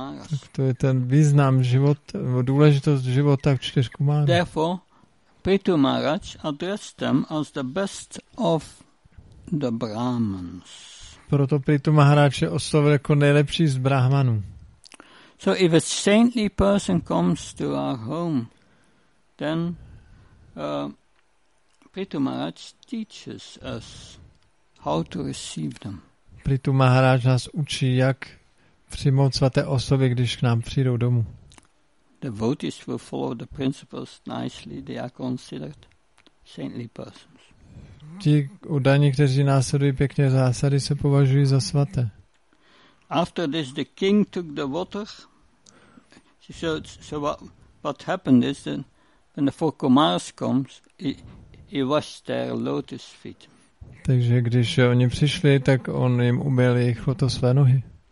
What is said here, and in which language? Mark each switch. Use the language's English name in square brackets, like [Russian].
[Czech] Tak to je ten význam život, důležitost života v čtyř Kumarů. [English] Therefore, Prithu Maharaj addressed them as the best of the Brahmans. [Czech] Proto Prithu Maharaj je oslovil jako nejlepší z Brahmanů. [English] So if a saintly person comes to our home, then Prithu Maharaj teaches us how to receive them. [Czech] Prithu Maharaj nás učí, jak přijmout svaté osoby, když k nám přijdou domů. [English] Devotees will follow the principles nicely, they are considered saintly persons. [Czech] Ti udaní, kteří následují pěkně zásady, se považují za svaté. [English] After this, the king took the water. So what happened is that when the four Kumaras comes, he washed their lotus feet. [Czech] Takže když oni přišli, tak on jim umyl jejich lotosové nohy.